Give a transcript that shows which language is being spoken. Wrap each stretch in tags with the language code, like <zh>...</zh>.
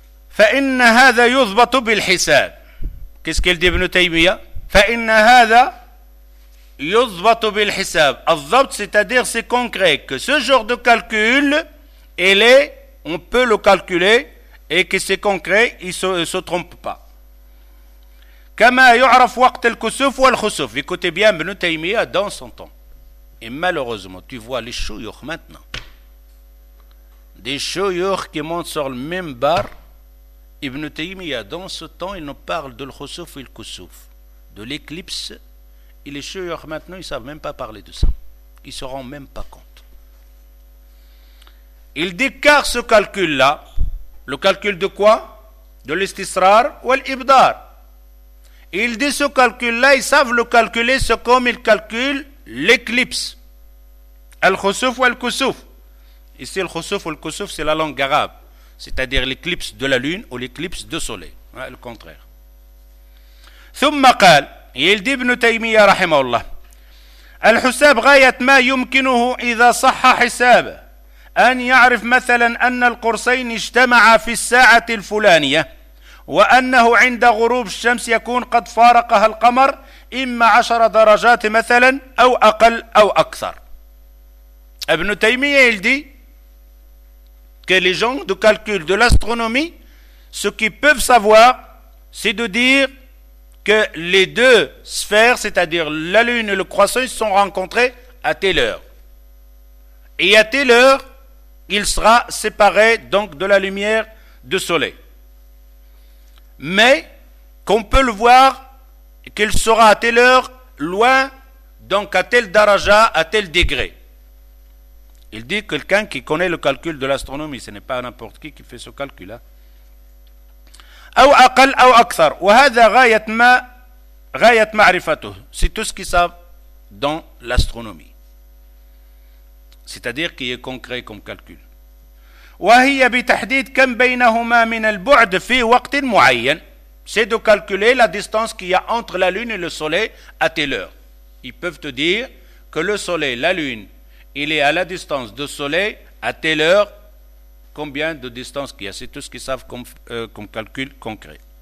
<ar>فإن هذا يضبط بالحساب.</ar> <fr>Qu'est-ce qu'il dit, Ibn Taymiyyah ?</fr> <ar>فإن هذا يضبط بالحساب.</ar> <fr>الضبط, c'est-à-dire c'est concret, que ce genre de calcul, il est, on peut le calculer, et que c'est concret, il se trompe pas.</fr> <ar>كما يعرف وقت الكسوف والخسوف.</ar> <fr>Écoutez bien, Ibn Taymiyyah dans son temps. Et malheureusement, tu vois les chouyouch maintenant. Des chouyouch qui montent sur le mimbar. Ibn Taymiyyah dans ce temps, il nous parle de l'khusuf et le kusuf. De l'éclipse, et les chouyouch maintenant, ils ne savent même pas parler de ça. Ils ne se rendent même pas compte. Il dit car ce calcul-là, le calcul de quoi? De l'istisrar ou l'ibdar. Il dit ce calcul-là, ils savent le calculer ce comme ils calculent l'éclipse. Al-khusuf ou al-kusuf. Ici, le khusuf ou le kusuf, c'est la langue arabe. C'est-à-dire l'éclipse de la lune ou l'éclipse de soleil. Hein, le contraire.</fr> <ar>ثم قال يلدي ابن تيمية رحمه الله الحساب غاية ما يمكنه إذا صح حسابه أن يعرف مثلا أن القرصين اجتمعا في الساعة الفلانية وأنه عند غروب الشمس يكون قد فارقها القمر إما 10 درجات مثلا أو أقل أو أكثر.</ar> <fr>ابن تيمية يلدي que les gens de calcul de l'astronomie ce qu'ils peuvent savoir c'est de dire que les deux sphères, c'est-à-dire la lune et le croissant, se sont rencontrés à telle heure. Et à telle heure, il sera séparé donc de la lumière du soleil. Mais qu'on peut le voir, qu'il sera à telle heure, loin, donc à tel daraja, à tel degré. Il dit quelqu'un qui connaît le calcul de l'astronomie, ce n'est pas n'importe qui fait ce calcul-là. Hein.</fr> <ar>أو أقل أو أكثر وهذا غاية ما غاية معرفته</ar> <fr>c'est tout ce qu'ils savent dans l'astronomie c'est-à-dire qu'il est concret comme calcul</fr> <ar>وهي بتحديد كم بينهما من البعد في وقت معين</ar> <fr>c'est de calculer la distance qu'il y a entre la lune et le soleil à telle heure ils peuvent te dire que le soleil la lune il est à la distance du soleil à telle heure combien de distance qu'il y a, c'est tout ce qu'ils savent comme calcul concret.</fr>